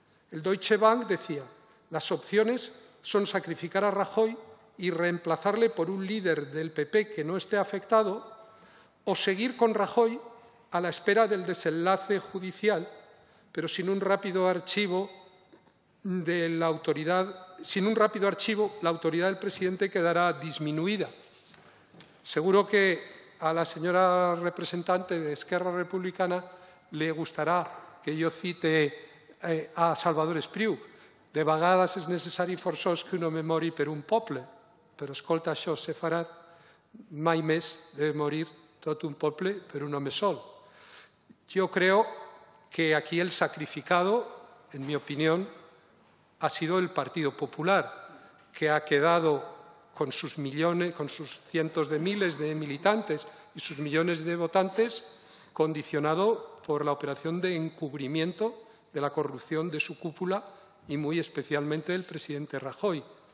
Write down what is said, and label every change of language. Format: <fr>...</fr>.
<es>El Deutsche Bank decía: las opciones son sacrificar a Rajoy y reemplazarle por un líder del PP que no esté afectado, o seguir con Rajoy a la espera del desenlace judicial, pero sin un rápido archivo de la autoridad. Sin un rápido archivo, la autoridad del presidente quedará disminuida. Seguro que a la señora representante de Esquerra Republicana le gustará que yo cite a</es> <ca>Salvador Espriu: «De vegades es necessari forçós que un home mori per un poble, però escolta això, se farà mai més de morir tot un poble per un home sol».</ca> <es>Yo creo que aquí el sacrificado, en mi opinión, ha sido el Partido Popular, que ha quedado con sus millones, con sus cientos de miles de militantes y sus millones de votantes, condicionado por la operación de encubrimiento de la corrupción de su cúpula y muy especialmente del presidente Rajoy.</es>